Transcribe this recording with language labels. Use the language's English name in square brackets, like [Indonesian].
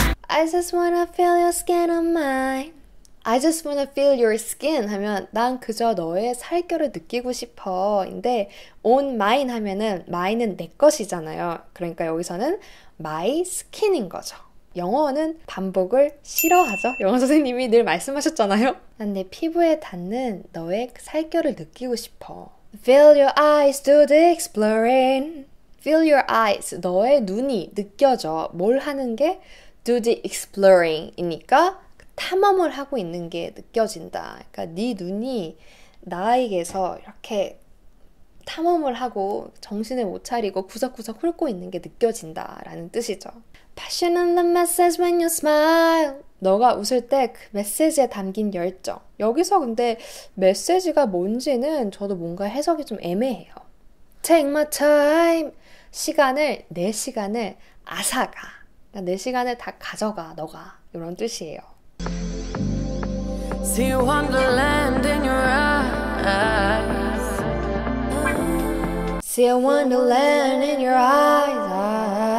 [English] I just wanna feel your skin on mine. I just wanna feel your skin [Korean] 하면 난 그저 너의 살결을 느끼고 싶어. 근데 on mine 하면은 mine은 내 것이잖아요. 그러니까 여기서는 my skin인 거죠. 영어는 반복을 싫어하죠. 영어 선생님이 늘 말씀하셨잖아요. 난내 피부에 닿는 너의 살결을 느끼고 싶어. [English] Feel your eyes do the exploring. Feel your eyes. [Korean] 너의 눈이 느껴져. 뭘 하는 게? [English] Do the exploring [Korean] 이니까 탐험을 하고 있는 게 느껴진다. 그러니까 네 눈이 나에게서 이렇게 탐험을 하고 정신을 못 차리고 구석구석 훑고 있는 게 느껴진다라는 뜻이죠. [English] Passion in the message when you smile. [Korean] 너가 웃을 때그 메시지에 담긴 열정. 여기서 근데 메시지가 뭔지는 저도 뭔가 해석이 좀 애매해요. [English] Take my time. [Korean] 시간을, 내 시간을 아사가. 내 시간을 다 가져가, 너가. 이런 뜻이에요. [English] See wonderland in your eyes. See wonderland in your eyes.